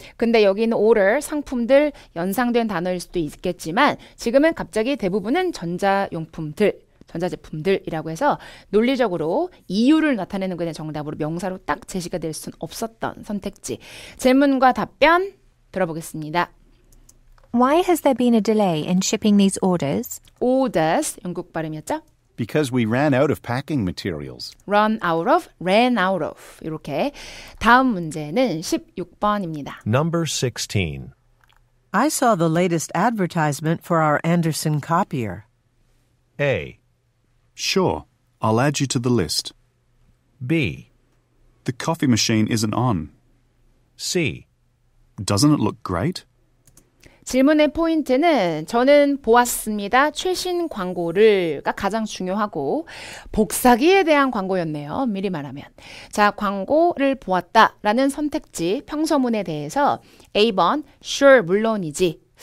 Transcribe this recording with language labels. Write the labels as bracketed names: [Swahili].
[Korean] 근데 여기는 order, 상품들 연상된 단어일 수도 있겠지만 지금은 갑자기 대부분은 전자용품들, 전자제품들이라고 해서 논리적으로 이유를 나타내는 것에 정답으로 명사로 딱 제시가 될 수는 없었던 선택지. 질문과 답변 들어보겠습니다. [English] Why has there been a delay in shipping these orders? [Korean] Orders, 영국 발음이었죠? [English] Because we ran out of packing materials. Run out of, ran out of. [Korean] 이렇게 다음 문제는 16번입니다. [English] Number 16. I saw the latest advertisement for our Anderson copier. A. Sure, I'll add you to the list. B. The coffee machine isn't on. C. Doesn't it look great? [Korean] 질문의 포인트는 저는 보았습니다. 최신 광고를가 가장 중요하고 복사기에 대한 광고였네요. 미리 말하면. 자, 광고를 보았다라는 선택지 평서문에 대해서 A번, sure, 물론이지.